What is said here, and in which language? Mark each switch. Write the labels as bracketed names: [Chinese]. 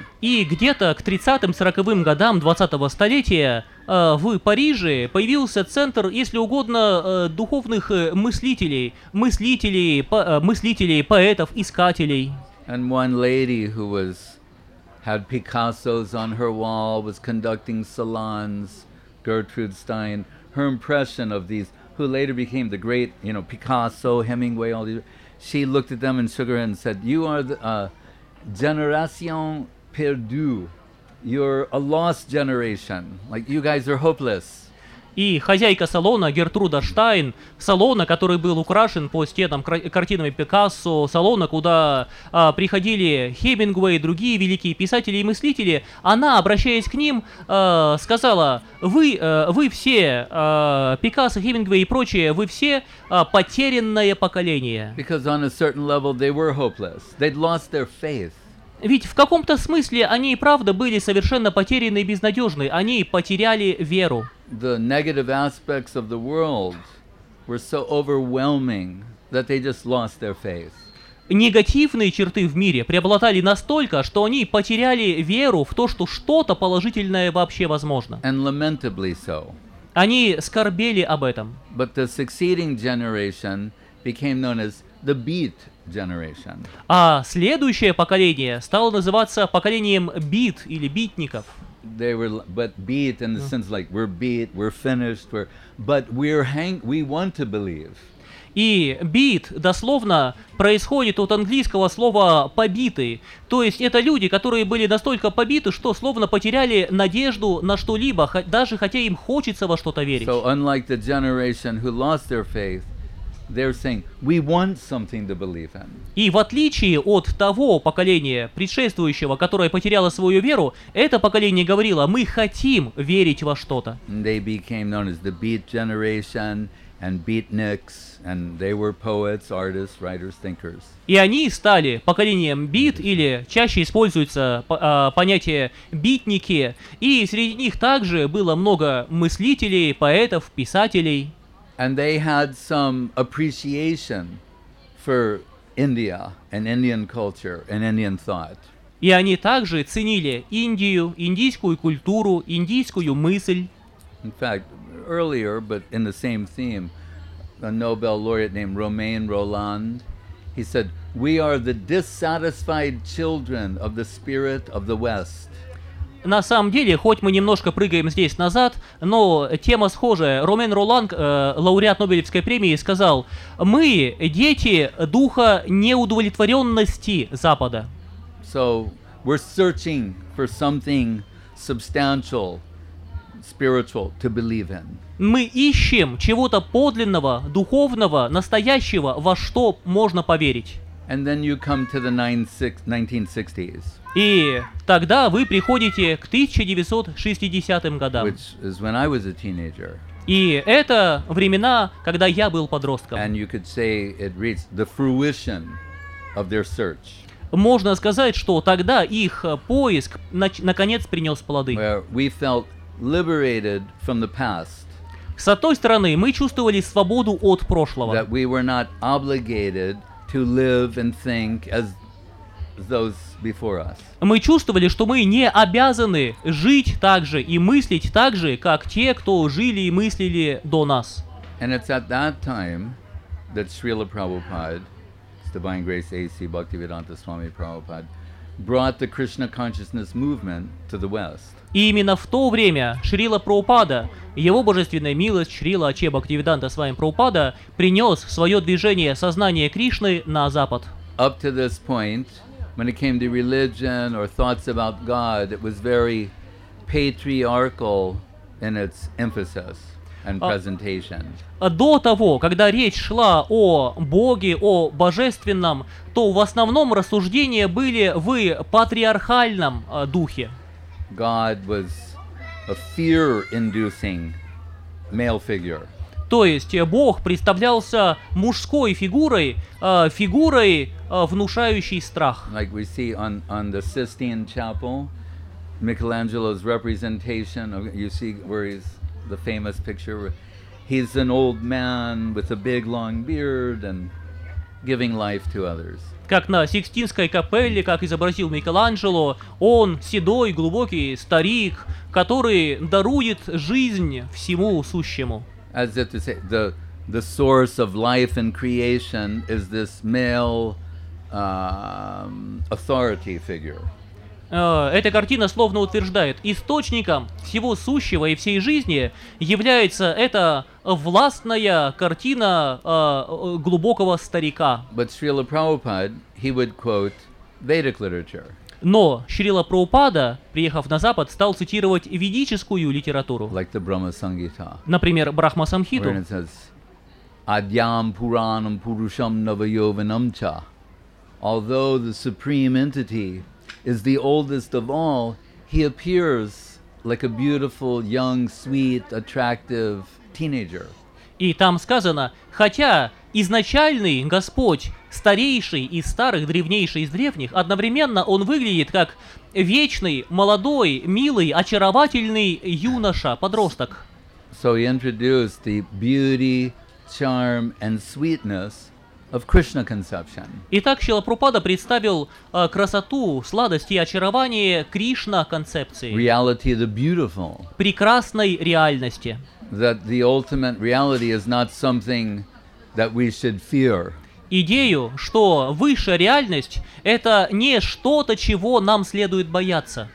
[Russian] И где-то к 30-40 годам 20-го столетия в Париже появился центр, если угодно, духовных мыслителей, мыслителей, поэтов, искателей. [English] And one lady who was had Picassos on her wall, was conducting salons, Gertrude Stein, her impression of these who later became the great, you know, Picasso, Hemingway, all these, she looked at them and shook her head and said, you are the generation perdue. You're a lost generation. Like, you guys are hopeless. [Russian] И хозяйка салона Гертруда Штайн, салона, который был украшен по стенам картинами Пикассо, салона, куда приходили Хемингуэй и другие великие писатели и мыслители, она, обращаясь к ним, сказала: вы все, Пикассо, Хемингуэй и прочие, вы все потерянное поколение. [English] Because on a certain level they were hopeless. They'd lost their faith. [Russian] Ведь в каком-то смысле они и правда были совершенно потеряны и безнадежны. Они потеряли веру. [English] The negative aspects of the world were so overwhelming that they just lost their faith. [Russian] Негативные черты в мире преобладали настолько, что они потеряли веру в то, что что-то положительное вообще возможно. [English] And lamentably so. [Russian] Они скорбели об этом. [English] But the succeeding generation became known as the beat generation. [Russian] А следующее поколение стало называться поколением бит или битников. [English] They were, but beat in the sense like we're beat, we're finished, we're, but we're hang, we want to believe. [Russian] И beat дословно происходит от английского слова побитый, то есть это люди, которые были настолько побиты, что словно потеряли надежду на что-либо, даже хотя им хочется во что-то верить. [English] So unlike the generation who lost their faith, they're saying we want something to believe in. [Russian] И в отличие от того поколения предшествующего, которое потеряло свою веру, это поколение говорило: мы хотим верить во что-то. [English] They became known as the beat generation and beatniks, and they were poets, artists, writers, thinkers. [Russian] И они стали поколением бит, или чаще используется понятие битники, и среди них также было много мыслителей, поэтов, писателей. [English] And they had some appreciation for India and Indian culture and Indian thought. [Russian] И они также ценили Индию, индийскую культуру, индийскую мысль. [English] In fact, earlier, but in the same theme, a Nobel laureate named Romain Rolland, he said, "We are the dissatisfied children of the spirit of the West." [Russian] На самом деле, хоть мы немножко прыгаем здесь назад, но тема схожая. Ромен Роланг, лауреат Нобелевской премии, сказал: «Мы – дети духа неудовлетворенности Запада». [English] So, we're searching for something substantial, spiritual to believe in. [Russian] Мы ищем чего-то подлинного, духовного, настоящего, во что можно поверить. [English] And then you come to the 1960s. [Russian] И тогда вы приходите к 1960-м годам. [English] Which is when I was a teenager. [Russian] И это времена, когда я был подростком. [English] And you could say it reached the fruition of their search. [Russian] Можно сказать, что тогда их поиск наконец принес плоды. [English] Where we felt liberated from the past. [Russian] С одной стороны, мы чувствовали свободу от прошлого. [English] That we were not obligated to live and think as those before us. [Russian] Мы чувствовали, что мы не обязаны жить так же и мыслить так же, как те, кто жили и мыслили до нас. [English] And it's at that time that Srila Prabhupada, His Divine Grace A.C. Bhaktivedanta Swami Prabhupada, brought the Krishna consciousness movement to the West. [Russian] И именно в то время Шрила Прабхупада, его божественная милость Шрила Ачхе Бхактивиданта Свами Прабхупада, принес свое движение сознания Кришны на Запад. [English] Up to this point, when it came to religion or thoughts about God, it was very patriarchal in its emphasis and presentation. [Russian] До того, когда речь шла о Боге, о божественном, то в основном рассуждения были в патриархальном духе. [English] God was a fear-inducing male figure. [Russian] То есть Бог представлялся мужской фигурой, фигурой, внушающей страх. [English] Like we see on the Sistine Chapel, Michelangelo's representation of, you see where he's the famous picture. He's an old man with a big long beard and giving life to others. [Russian] Как на Сикстинской капелле, как изобразил Микеланджело, он седой, глубокий старик, который дарует жизнь всему сущему. [English] As if to say, the source of life and creation is this male authority figure. [Russian] Эта картина словно утверждает: источником всего сущего и всей жизни является эта властная картина глубокого старика. [English] But Srila Prabhupada, he would quote Vedic literature. [Russian] Но Шрила Прабхупада, приехав на Запад, стал цитировать ведическую литературу. [English] Like the Brahma Sanghita, [Russian] например, Брахма Самхиту. [Sanskrit] Where it says, Adyam Puranam Purusham Navayovanam Cha. [English] Although the supreme entity is the oldest of all, he appears like a beautiful, young, sweet, attractive teenager. [Russian] И там сказано, хотя изначальный Господь старейший из старых, древнейший из древних, одновременно он выглядит как вечный, молодой, милый, очаровательный юноша, подросток. [English] So he introduced the beauty, charm and sweetness of Krishna conception. [Russian] Итак, Шрила Прабхупада представил красоту, сладость и очарование Кришна концепции. [English] Reality the beautiful. [Russian] Прекрасной реальности. [English] That the ultimate reality is not something that we should fear. [Russian] Идею, что высшая реальность — это не что-то, чего нам следует бояться.